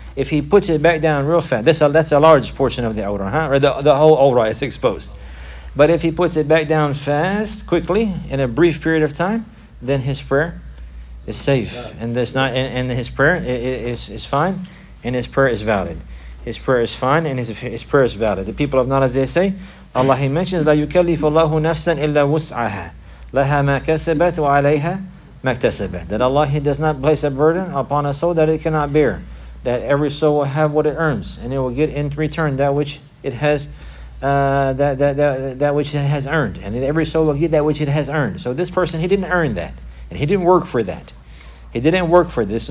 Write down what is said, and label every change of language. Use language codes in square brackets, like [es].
[en] If he puts it back down real fast, that's a large portion of the awrah, huh? Or the whole awrah is exposed. But if he puts it back down fast, quickly, in a brief period of time, then his prayer is safe. And there's not, and his prayer is fine, and his prayer is valid. His prayer is fine, and his prayer is valid. The people of knowledge, they say, Allah, he mentions, [ar] لا يكلف الله نفسا إلا وسعها لها ما كسبت وعليها ما اكتسبت. [en] That Allah, he does not place a burden upon a soul that it cannot bear. That every soul will have what it earns, and it will get in return that which it has, that which it has earned. And every soul will get that which it has earned. So this person, he didn't earn that, and he didn't work for that. He didn't work for this.